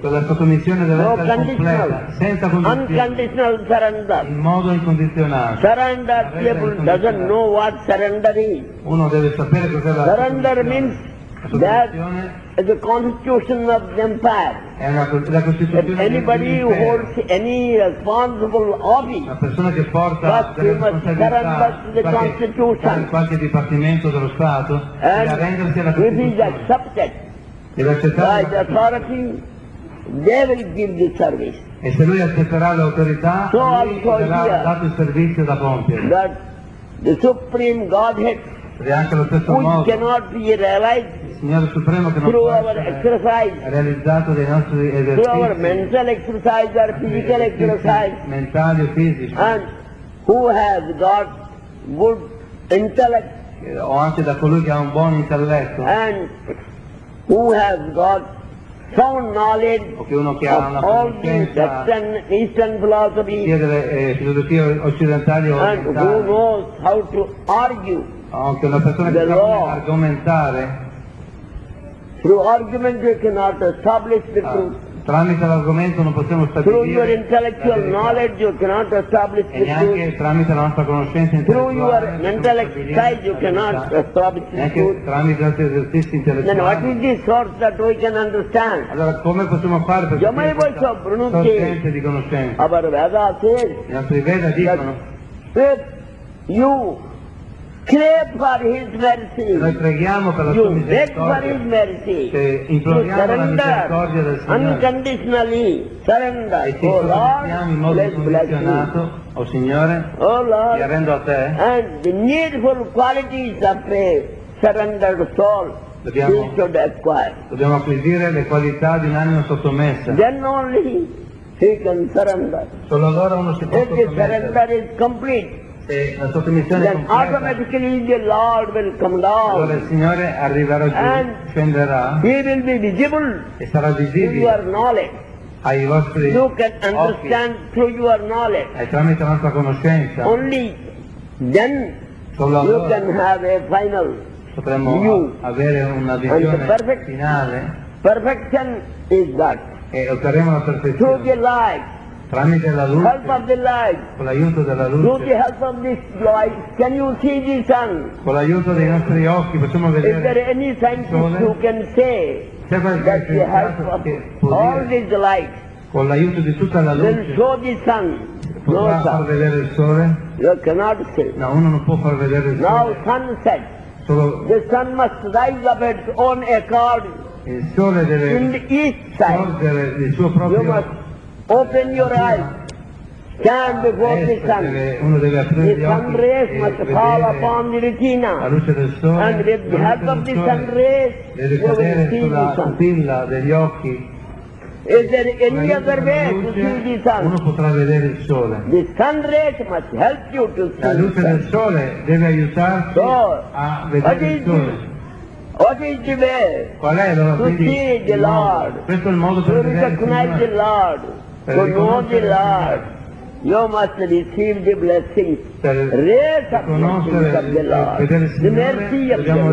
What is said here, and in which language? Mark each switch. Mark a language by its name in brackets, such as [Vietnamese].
[Italian] Quella sottomissione deve essere completa, senza condizioni. [English] Unconditional surrender. [Italian] In modo incondizionato. [English] Surrender people doesn't know what surrender is. [Italian] Uno deve sapere cos'è la [English] surrender means that is the constitution of the empire. [Italian] È una, la costituzione [English] if anybody [Italian] dell'impero. [English] Holds any responsible office, [Italian] la persona che porta la responsabilità [English] the constitution. [Italian] In qualche dipartimento dello Stato [English] and [Italian] deve arrendersi alla costituzione. Deve accettare [English] by the authority, they will give the service. [Italian] E se lui accetterà l'autorità, [English] so [Italian] lui darà dato il servizio da compiere. [English] That the supreme Godhead, [Italian] anche lo stesso [English] which [Italian] modo, [English] cannot be realized, [Italian] Signore Supremo che [English] through [Italian] non può [English] our exercise, [Italian] realizzato dei nostri esercizi, [English] through our mental exercise or physical exercise, [Italian] mentali o fisici, [English] and who has got good intellect, [Italian] o anche da colui che ha un buon intelletto, [English] and who has got sound knowledge, [Italian] o che uno che ha una [English] all these Western, Eastern philosophy, [Italian] sia delle filosofie occidentali o [English] and who knows how to argue, [Italian] anche una persona che sa argomentare. [English] Through argument you cannot establish the truth. [Italian] Tramite l'argomento non possiamo stabilire. [English] Through your intellectual knowledge you cannot establish the truth. [Italian] E neanche tramite la nostra conoscenza intellettuale. [English] Through your mental exercise you cannot establish the truth. [Italian] Neanche tramite altri esercizi intellettuali. [English] Then what is the source that we can understand? [Italian] Allora come possiamo fare per capire questa sorgente di conoscenza? [English] Our Veda says, [Italian] i nostri Veda dicono, [English] if you pray for his mercy, [Italian] noi preghiamo per la [English] you [Italian] sua misericordia, [English] for his mercy, [Italian] se imploriamo la misericordia del Signore, [English] unconditionally surrender, [Italian] e ci sottomettiamo in modo incondizionato, o oh Signore, [English] oh Lord, [Italian] ti arrendo a te, [English] and the needful qualities of a surrendered soul, [Italian] dobbiamo, [English] he should acquire. [Italian] Dobbiamo acquisire le qualità di un'anima sottomessa. [English] Then only he can surrender. [Italian] Solo allora uno si può [English] if the surrender is complete, [Italian] la sottomissione [English] then automatically the Lord will come down. [Italian] Allora il Signore arriverà giù, [English] and [Italian] scenderà. [English] He will be visible. [Italian] E sarà visibile. [English] Your knowledge. [Italian] Ai vostri [English] you can understand [Italian] occhi. [English] Through your knowledge. [Italian] E tramite la nostra conoscenza. [English] Only then [Italian] solo [English] you [Italian] allora [English] can have a final [Italian] potremmo [English] view. [Italian] Avere una visione [English] perfect, [Italian] finale. [English] Perfection is that. [Italian] E otterremo la perfezione. [English] Through the light. [Italian] Tramite la luce, [English] help of the light, [Italian] con l'aiuto della luce, [English] through the help of this light, can you see the sun? [Italian] Con l'aiuto dei nostri occhi, possiamo vedere. [English] Is there any scientist who can say that the help of all this light, [Italian] con l'aiuto di tutta la luce, [English] will show the sun? [Italian] No, far vedere il sole? [English] You cannot see. [Italian] No, uno non può far vedere il sole. [English] Now sunset. [Italian] Solo [English] the sun must rise of its own accord. [Italian] Il sole deve [English] in the east side. [Italian] Il suo proprio. [English] Open your eyes, stand before the sun, [Italian] uno deve aprire [English] the sun rays must fall upon the retina, [Italian] la luce del sole, [English] and with the help of the sun rays, you will see the sun. [Italian] Pupilla degli occhi. [English] Is there any other way to see the sun? [Italian] Uno potrà vedere il sole. [English] The sun rays must help you to see the sun. [Italian] La luce del sole deve aiutarti [English] so, [Italian] a vedere il sole. [English] What is the way [Italian] qual è, allora, [English] to [Italian] quindi, [English] see the Lord, [Italian] modo, questo è il modo per [English] to recognize the Lord, [Italian] per [English] to know the Lord, you must receive the blessing, raise up the blessing of the Lord, the mercy of the Lord,